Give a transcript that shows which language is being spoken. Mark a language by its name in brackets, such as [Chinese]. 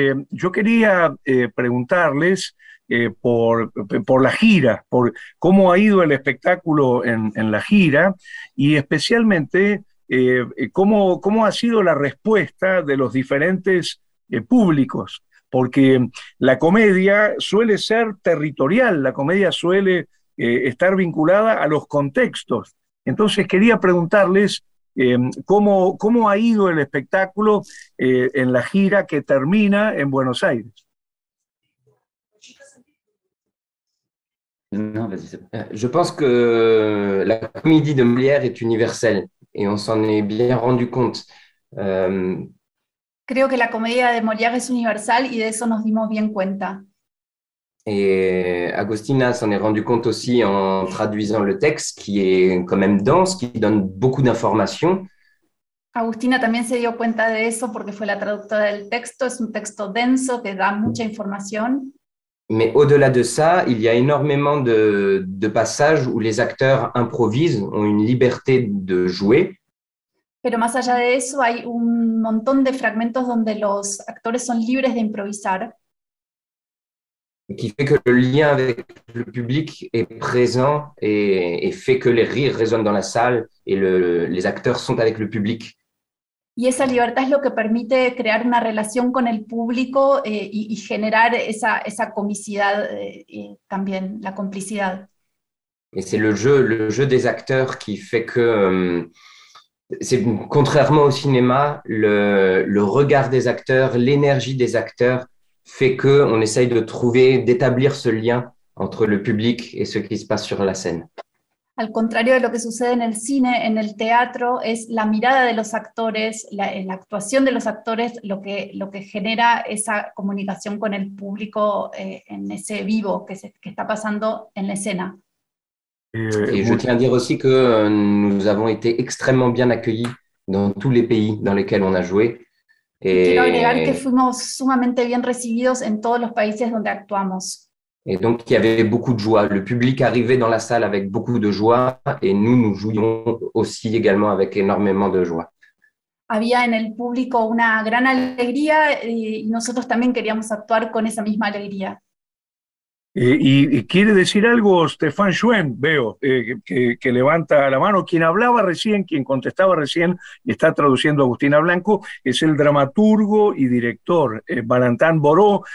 [Spanish] Yo quería preguntarles por la gira, por cómo ha ido el espectáculo en la gira, y especialmente cómo ha sido la respuesta de los diferentes públicos, porque la comedia suele ser territorial, la comedia suele estar vinculada a los contextos. Entonces quería preguntarles cómo ha ido el espectáculo en la gira que termina en Buenos Aires. [French] Non, vas-y. Je pense que la comédie de Molière est universelle et on s'en est bien rendu compte. [Spanish] Creo que la comedia de Molière es universal y de eso nos dimos bien cuenta. [French] Et Agostina s'en est rendu compte aussi en traduisant le texte qui est quand même dense, qui donne beaucoup d'informations. [Spanish] Agustina también se dio cuenta de eso porque fue la traductora del texto, es un texto denso que da mucha información. [French] Mais au-delà de ça, il y a énormément de passages où les acteurs improvisent, ont une liberté de jouer. [Spanish] Pero más allá de eso, hay un montón de fragmentos donde los actores son libres de improvisar. [French] Qui fait que le lien avec le public est présent et fait que les rires résonnent dans la salle et les acteurs sont avec le public. [Spanish] Y esa libertad es lo que permite crear una relación con el público y generar esa comicidad también, la complicidad. [French] Et c'est le jeu des acteurs qui fait que, c'est, contrairement au cinéma, le regard des acteurs, l'énergie des acteurs fait qu'on essaye de trouver, d'établir ce lien entre le public et ce qui se passe sur la scène. [Spanish] Al contrario de lo que sucede en el cine, en el teatro, es la mirada de los actores, la actuación de los actores, lo que genera esa comunicación con el público en ese vivo que está pasando en la escena. [French] Y je tiens à dire aussi que nous avons été extrêmement bien accueillis dans tous les pays dans lesquels on a joué. [Spanish] Quiero agregar que fuimos sumamente bien recibidos en todos los países donde actuamos. [French] Et donc, il y avait beaucoup de joie. Le public arrivait dans la salle avec beaucoup de joie et nous jouions aussi également avec énormément de joie. [Spanish] Había en el público una gran alegría y nosotros también queríamos actuar con esa misma alegría. Y quiere decir algo Stéphane Schwen, veo, que levanta la mano. Quien hablaba recién, quien contestaba recién, y está traduciendo Agustina Blanco, es el dramaturgo y director Valentin Boró.